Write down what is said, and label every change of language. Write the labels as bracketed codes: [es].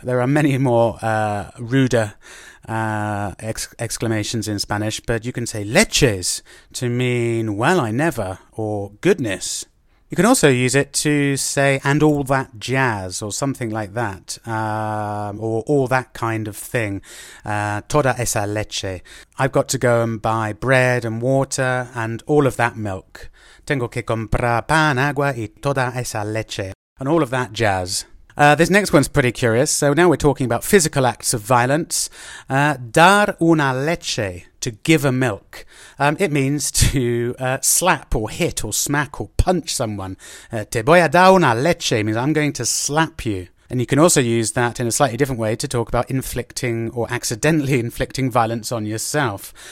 [en] There are many more ruder exclamations in Spanish, but you can say leches to mean, well, I never, or goodness. You can also use it to say, and all that jazz, or something like that, or all that kind of thing. [es] Toda esa leche. [en] I've got to go and buy bread and water and all of that milk. [es] Tengo que comprar pan, agua y toda esa leche. [en] And all of that jazz. This next one's pretty curious. So now we're talking about physical acts of violence. [es] Dar una leche, [en] to give a milk. It means to slap or hit or smack or punch someone. [es] Te voy a dar una leche [en] means I'm going to slap you. And you can also use that in a slightly different way to talk about inflicting or accidentally inflicting violence on yourself.